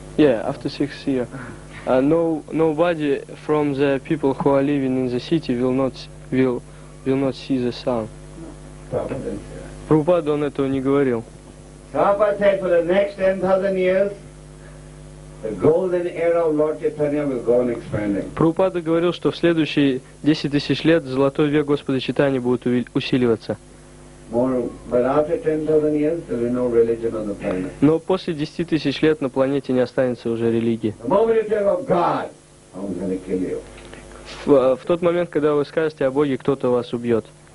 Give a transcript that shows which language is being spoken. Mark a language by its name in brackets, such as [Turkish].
[English] Yeah, after 6 years, nobody from the people who are living in the city will not see the sun. [Russian] Prabhupada он этого не говорил. [English] Prabhupada said for the next 10,000 years, the golden era of Lord Chaitanya will go on expanding. [Russian] Прабхупада говорил, что в следующие 10,000 лет золотой век Господа Чайтаньи будет усиливаться. [English] But after 10,000 years, there will be no religion on the planet. [Russian] Но после 10,000 лет на планете не останется уже религии. [English] The moment you think of God, I'm going to kill you. [Russian] В тот момент, когда вы скажете о Боге, кто-то вас убьет.